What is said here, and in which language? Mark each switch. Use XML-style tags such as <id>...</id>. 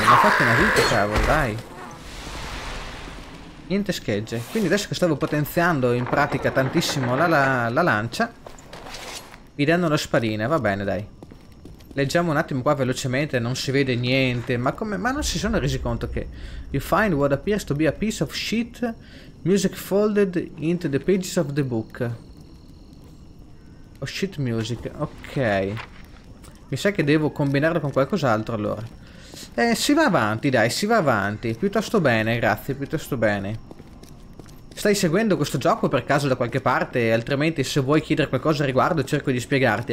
<it>Mi ha fatto una vita, cavolo, dai. Niente schegge. Quindi adesso che stavo potenziando in pratica tantissimo la lancia, mi danno la spadina, va bene, dai. Leggiamo un attimo qua velocemente, non si vede niente, ma come... Ma non si sono resi conto che...</it> <en>You find what appears to be a piece of sheet, music folded into the pages of the book. Oh, sheet music, ok.</en> <it>Mi sa che devo combinarlo con qualcos'altro allora. Si va avanti, dai, si va avanti. Piuttosto bene, grazie, piuttosto bene. Stai seguendo questo gioco per caso da qualche parte? Altrimenti se vuoi chiedere qualcosa al riguardo cerco di spiegarti.</it>